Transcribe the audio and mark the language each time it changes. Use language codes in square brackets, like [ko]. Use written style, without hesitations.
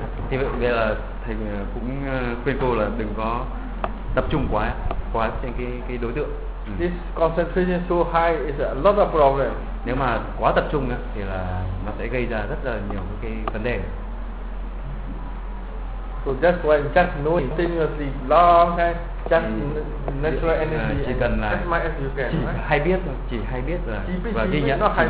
[vi] Thì bây giờ thầy cũng khuyên cô là đừng có tập trung quá trên cái đối tượng. [en] This concentration too high is a lot of problem. [vi] Nếu mà quá tập trung thì là nó sẽ gây ra rất là nhiều cái vấn đề. [en] So that's why just know continuously long time, just natural energy. [vi] Chỉ cần là [en] as much as you can, [vi] chỉ [en] right? [vi] Hay biết thôi, chỉ hay biết rồi và ghi nhận,